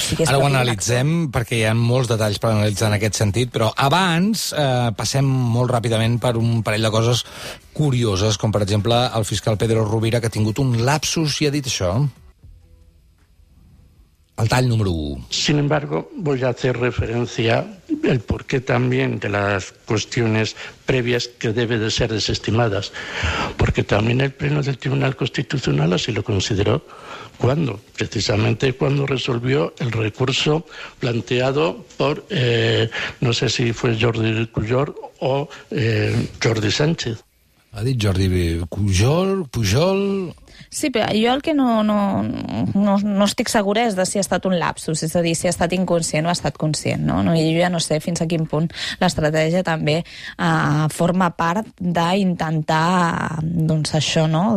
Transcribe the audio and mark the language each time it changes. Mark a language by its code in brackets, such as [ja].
[ca] sigui, ara ho analitzem, perquè hi ha molts detalls per analitzar en aquest sentit, però abans passem molt ràpidament per un parell de coses curioses, com per exemple el fiscal Pedro Rovira, que ha tingut un lapsus i ha dit això. El tall número 1. [es] Sin embargo, voy a hacer referencia el porqué también de las cuestiones previas que debe de ser desestimadas, porque también el Pleno del Tribunal Constitucional así lo consideró. ¿Cuándo? Precisamente cuando resolvió el recurso planteado por, no sé si fue Jordi Cuyor o Jordi Sánchez. [ca] Ha dit Jordi Pujol, Pujol... Sí, però jo el que no estic segura és de si ha estat un lapsus, és a dir, si ha estat inconscient o ha estat conscient, no? I jo ja no sé fins a quin punt l'estratègia també forma part d'intentar, doncs, això, no?